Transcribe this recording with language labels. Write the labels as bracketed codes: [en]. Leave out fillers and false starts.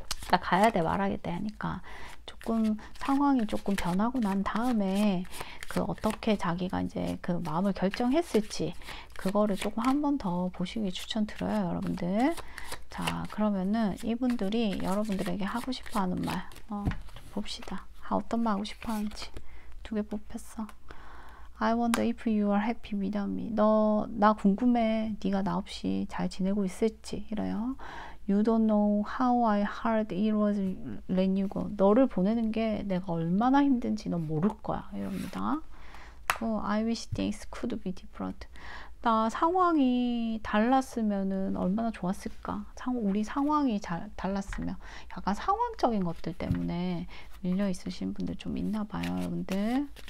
[ko] 나 가야 돼, 말하겠다 하니까. 조금 상황이 조금 변하고 난 다음에 그 어떻게 자기가 이제 그 마음을 결정했을지 그거를 조금 한번더 보시기 추천드려요, 여러분들. 자, 그러면은 이분들이 여러분들에게 하고 싶어 하는 말. 봅시다. 어떤 말 하고 싶어 하는지. 두개 뽑혔어. [en] I wonder if you are happy without me. [ko] 나 궁금해. 네가 나 없이 잘 지내고 있을지. 이래요. [en] You don't know how I hard it was when you go. [ko] 너를 보내는 게 내가 얼마나 힘든지 넌 모를 거야. 이럽니다. [en] I wish things could be different. [ko] 나 상황이 달랐으면은 얼마나 좋았을까? 우리 상황이 잘 달랐으면 약간 상황적인 것들 때문에 밀려 있으신 분들 좀 있나 봐요, 여러분들.